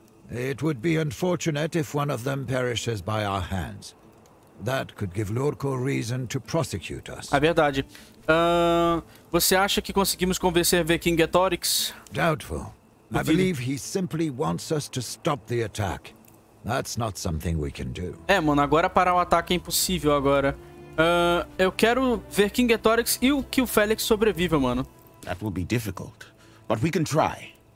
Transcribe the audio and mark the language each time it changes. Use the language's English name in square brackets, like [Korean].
[English] It would be unfortunate if one of them perishes by our hands. That could give Lurko reason to prosecute us. [Portuguese] É verdade. Você acha que conseguimos convencer Viking Gatorix? [English] Doubtful. I believe he simply wants us to stop the attack. That's not something we can do. [Portuguese] É, mano, agora parar o ataque é impossível agora. Eu quero ver King Gatorix e o que o Félix sobreviva, mano. [English] That will be difficult, but we can try.